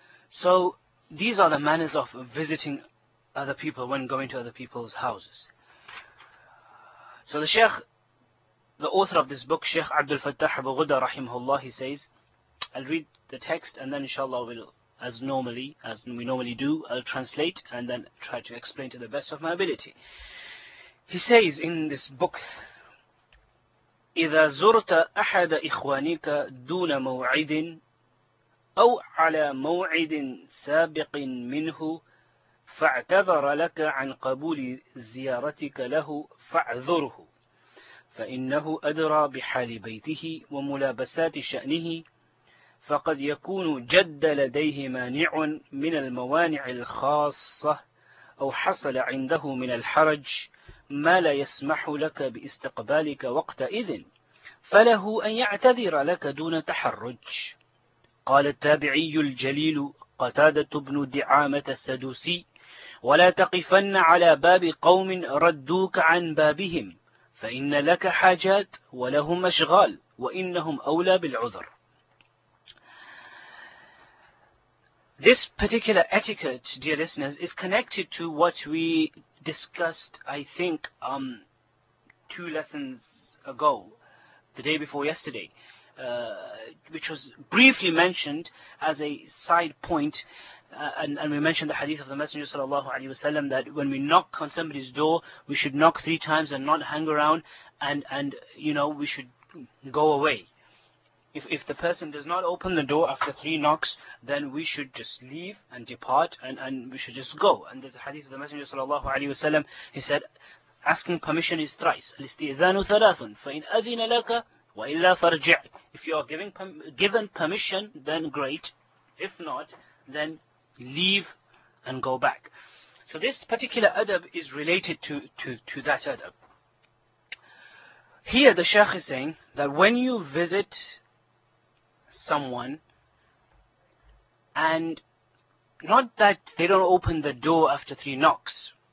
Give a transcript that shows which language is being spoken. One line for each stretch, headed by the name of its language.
English: So these are the manners of visiting other people when going to other people's houses. So the Sheikh, the author of this book, Sheikh Abdul Fattah Abu Ghudda, rahimahullah, he says, I'll read the text and then inshallah we'll, as we normally do, I'll translate and then try to explain to the best of my ability. He says in this book,
Arabic: إِذَا زُرْتَ أَحَدَ إِخْوَانِكَ دُونَ مَوْعِدٍ أَوْ عَلَى مَوْعِدٍ سَابِقٍ مِنْهُ فاعتذر لك عن قبول زيارتك له فاعذره فإنه أدرى بحال بيته وملابسات شأنه فقد يكون جد لديه مانع من الموانع الخاصة أو حصل عنده من الحرج ما لا يسمح لك باستقبالك وقتئذ فله أن يعتذر لك دون تحرج. قال التابعي الجليل قتادة بن دعامة السدوسي: ولا تقفن على باب قوم ردوك عن بابهم فإن لك حاجات ولهم أشغال وإنهم أولى بالعذر.
English: This particular etiquette, dear listeners, is connected to what we discussed, I think, two lessons ago, the day before yesterday, which was briefly mentioned as a side point, and we mentioned the hadith of the Messenger sallallahu alaihi wasallam that when we knock on somebody's door, we should knock three times and not hang around, and you know, we should go away. If the person does not open the door after three knocks, then we should just leave and depart, and we should just go. And there's a hadith of the Messenger sallallahu alaihi wasallam. He said, asking permission is thrice.
Arabic: الاستئذان ثلاثٌ فإن أذن لك وإلا فرجع.
English: If you are given permission, then great. If not, then leave and go back. So this particular adab is related to that adab. Here the Shaykh is saying that when you visit someone, and not that they don't open the door after three knocks.